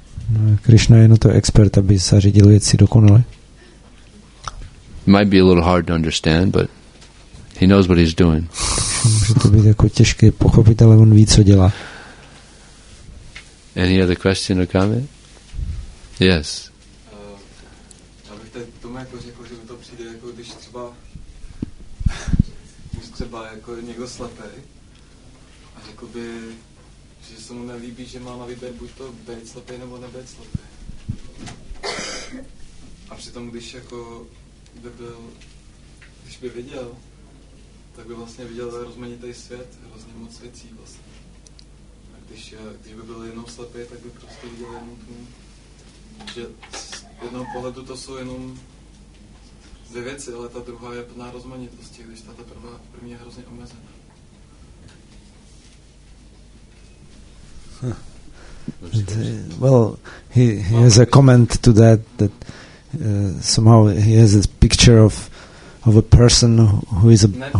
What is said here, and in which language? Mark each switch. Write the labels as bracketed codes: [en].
[cs] No, Krishna je na to expert, aby zařídil věci dokonale. [en] Might be a little hard to understand, but he knows what he's doing. [cs] Může to být jako těžké pochopit, ale on ví, co dělá. [en] Any other question or comment? Yes. [cs] Já bych tady tomu jako řekl, že mi to přijde, jako když třeba jako někdo slepej a řekl by, že se mu nelíbí, že má na výběr buď to být slepej nebo nebýt slepej. A přitom, když jako by byl, když by viděl, tak by vlastně viděl rozmanitý svět, hrozně moc věcí vlastně. Když by byl jenom slepý, tak by prostě viděl jenom tmu. Že z jednoho pohledu to jsou jenom dvě věci, ale ta druhá je plná rozmanitosti, když ta první je hrozně omezená. [en] Well, he has a comment to that, that somehow he has a picture of a person who is a...